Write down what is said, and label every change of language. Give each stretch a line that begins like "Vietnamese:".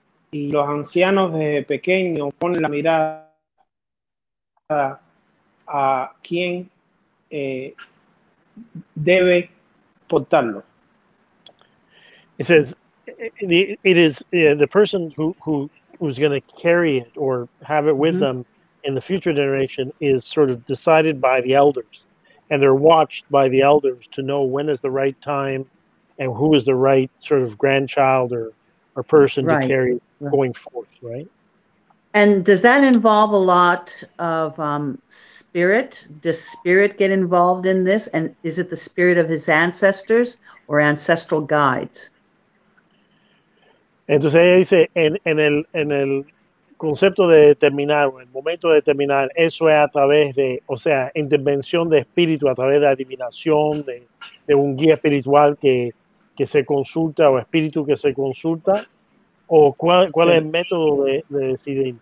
Spanish: Y los ancianos desde pequeño ponen la mirada a quién debe portarlo.
English: It says the person who's going to carry it or have it with mm-hmm. them in the future generation is sort of decided by the elders, and they're watched by the elders to know when is the right time and who is the right sort of grandchild or person right. to carry it going forth, right? And does that involve a lot of spirit? Does spirit get involved in this? And is it the spirit of his ancestors or ancestral guides?
Spanish: Entonces ella dice, en el concepto de determinar, o en el momento de determinar, eso es a través de, o sea, intervención de espíritu, a través de adivinación, de un guía espiritual que se consulta, o espíritu que se consulta, o cuál es el método de decidir.